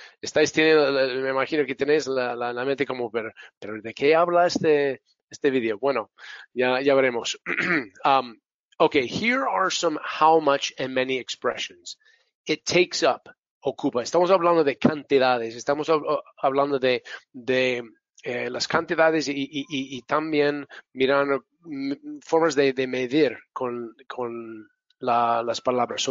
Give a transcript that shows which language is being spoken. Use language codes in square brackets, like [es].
[es] Estáis teniendo, me imagino que tenéis la mente como, pero ¿de qué habla este video? Bueno, ya veremos. [en] Okay, here are some how much and many expressions. It takes up, [es] ocupa. Estamos hablando de cantidades. Estamos hablando de las cantidades y también mirando formas de medir con las palabras.